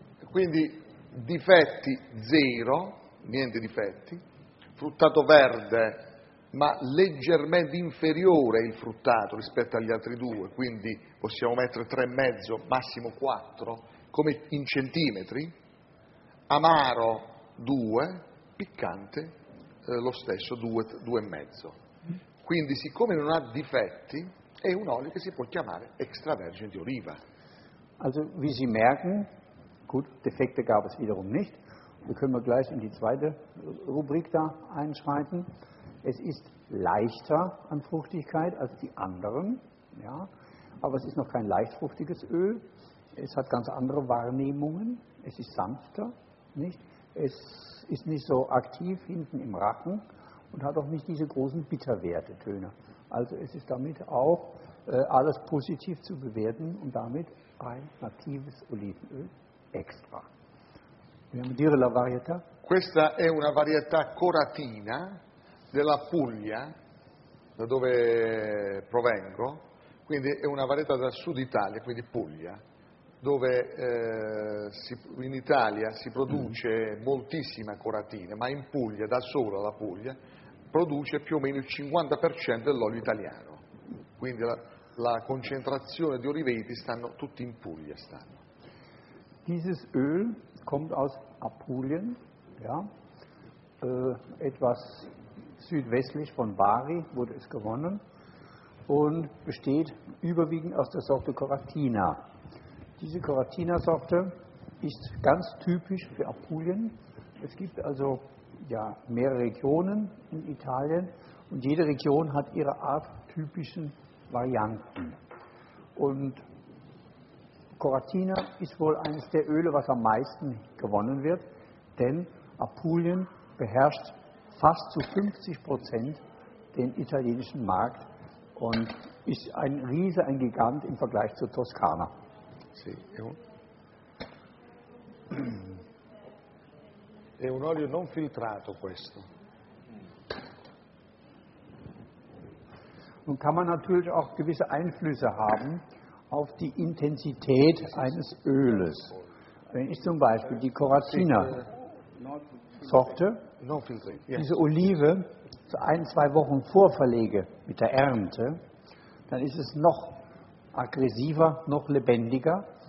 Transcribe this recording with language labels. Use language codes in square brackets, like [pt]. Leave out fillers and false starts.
[it] Quindi difetti zero, niente difetti, fruttato verde, ma leggermente inferiore il fruttato rispetto agli altri due, quindi possiamo mettere 3,5, massimo 4, come in centimetri, amaro 2, piccante lo stesso 2,5. Quindi siccome non ha difetti, è un olio che si può chiamare extravergine di oliva. [de] Also, wie Sie merken, gut, Defekte gab es wiederum nicht. Wir können gleich in die zweite Rubrik da einschreiten. Es ist leichter an Fruchtigkeit als die anderen, ja, aber es ist noch kein leichtfruchtiges Öl. Es hat ganz andere Wahrnehmungen. Es ist sanfter, nicht? Es ist nicht so aktiv hinten im Rachen und hat auch nicht diese großen Bitterwertetöne. Also es ist damit auch alles positiv zu bewerten und damit ein natives Olivenöl extra. [it] Vogliamo dire la varietà? Questa è una varietà coratina della Puglia, da dove provengo, quindi è una varietà del sud Italia, quindi Puglia, dove in Italia si produce moltissima coratina, ma in Puglia, da sola la Puglia, produce più o meno il 50% dell'olio italiano, quindi la concentrazione di oliveti stanno tutti in Puglia. Stanno. [de] Dieses Öl kommt aus Apulien, ja, etwas südwestlich von Bari wurde es gewonnen und besteht überwiegend aus der Sorte Coratina. Diese Coratina-Sorte ist ganz typisch für Apulien. Es gibt also ja mehrere Regionen in Italien und jede Region hat ihre Art typischen Varianten. Und Coratina ist wohl eines der Öle, was am meisten gewonnen wird, denn Apulien beherrscht fast zu 50% den italienischen Markt und ist ein Riese, ein Gigant im Vergleich zur Toskana. [it] Sì, è un olio non filtrato questo. [de] Nun kann man natürlich auch gewisse Einflüsse haben auf die Intensität eines Öles. Wenn ich zum Beispiel die Coratina-Sorte, diese Olive, so ein, zwei Wochen vorverlege mit der Ernte, dann ist es noch aggressiver, noch lebendiger.